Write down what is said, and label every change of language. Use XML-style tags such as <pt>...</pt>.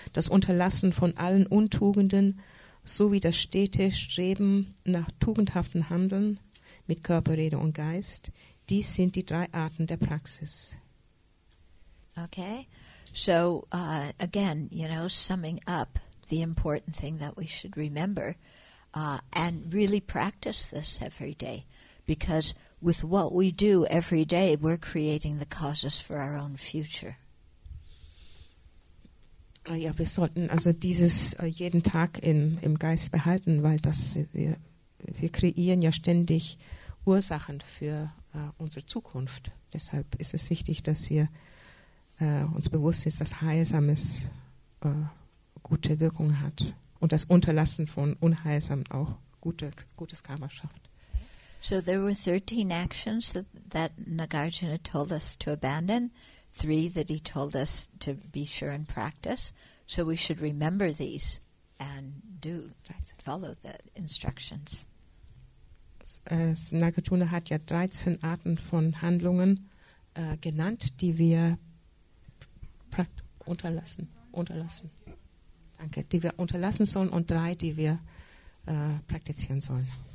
<de>Das Unterlassen von allen Untugenden, sowie das stete Streben nach tugendhaftem Handeln mit Körper, Rede und Geist. Dies sind die drei Arten der Praxis.</de> <en>Okay, so again, you know, summing up the important thing that we should remember and really practice this every day, because with what we do every day, we're creating the causes for our own future.</en> <de>Ja, wir sollten also dieses jeden Tag im Geist behalten, weil das wir kreieren ja ständig Ursachen für unsere Zukunft. Deshalb ist es wichtig, dass wir uns bewusst sind, dass Heilsames gute Wirkung hat und das Unterlassen von Unheilsam auch gutes Karma schafft.</de> <en>So there were 13 actions that Nagarjuna told us to abandon, 3 that he told us to be sure and practice. So we should remember these and do follow the instructions.</en> <de>Nagarjuna hat ja 13 Arten von Handlungen genannt, die wir unterlassen. Danke, die wir unterlassen sollen, und 3, die wir praktizieren sollen.</de>